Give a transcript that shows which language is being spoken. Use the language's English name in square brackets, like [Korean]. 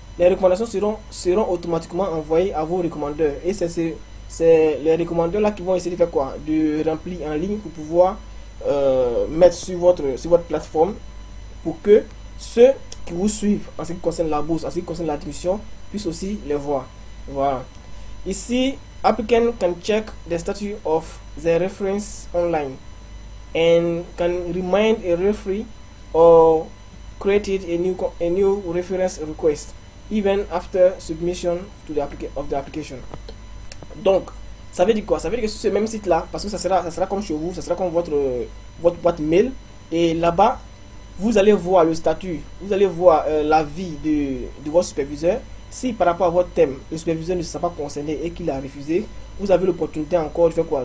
[French] Les recommandations seront automatiquement envoyées à vos recommandeurs. Et c'est les recommandeurs là qui vont essayer de faire quoi? De remplir en ligne pour pouvoir mettre sur votre plateforme pour que ceux qui vous suivent en ce qui concerne la bourse, en ce qui concerne l'admission, puissent aussi les voir. Voilà. Ici, [English] applicant can check the status of the reference online and can remind a referee or create a new reference request even after submission to the application. [French] Donc, ça veut dire quoi? Ça veut dire que sur ce même site-là, parce que ça sera comme chez vous, ça sera comme votre boîte mail, et là-bas, vous allez voir le statut, vous allez voir l'avis de votre superviseur. Si par rapport à votre thème, le superviseur ne s'est pas concerné et qu'il a refusé, vous avez l'opportunité encore de faire quoi?